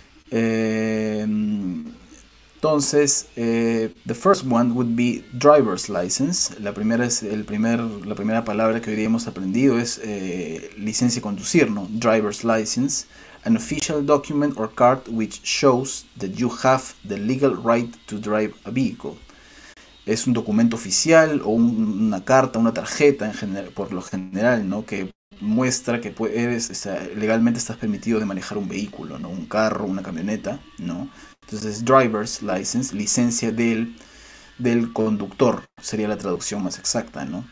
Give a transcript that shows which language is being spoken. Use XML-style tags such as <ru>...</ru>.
<en>Entonces, the first one would be driver's license.</en> <es>La primera es la primera palabra que hoy día hemos aprendido es licencia de conducir, ¿no?</es> <en>Driver's license, an official document or card which shows that you have the legal right to drive a vehicle.</en> <es>Es un documento oficial o una carta, una tarjeta, en general, por lo general, ¿no? Que muestra que puedes, o sea, legalmente estás permitido de manejar un vehículo, ¿no? Un carro, una camioneta, ¿no? Entonces, driver's license, licencia del conductor, sería la traducción más exacta, ¿no?</es>